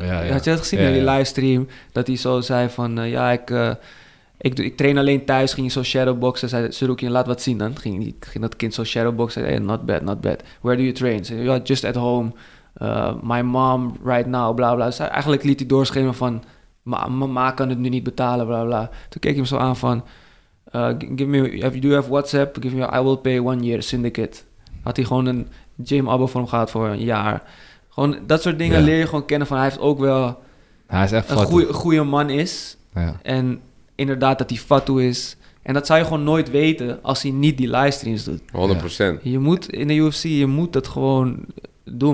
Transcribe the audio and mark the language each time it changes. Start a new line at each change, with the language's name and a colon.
Dutch: had je dat gezien in die livestream? Dat hij zo zei van, ik train alleen thuis, ging je zo shadowboxen. Zei Sarukje, laat wat zien dan. Ging dat kind zo shadowboxen.
English: Hey, not bad, not bad. Where do you train? Zei, yeah, just at home. My mom right now, bla bla.
Dutch: Zei, eigenlijk liet hij doorschemen van, mama kan het nu niet betalen, bla bla. Toen keek hij hem zo aan van,
English: do you have WhatsApp? Give me, I will pay 1 year, syndicate.
Dutch: Had hij gewoon een gym abo voor hem gehad voor een jaar. Gewoon dat soort dingen leer je gewoon kennen van, hij heeft ook wel... Hij is echt een goede man is. Ja. En inderdaad dat hij fatu is. En dat zou je gewoon nooit weten als hij niet die livestreams doet. 100%. Ja. Je moet in de UFC, je moet dat gewoon doen.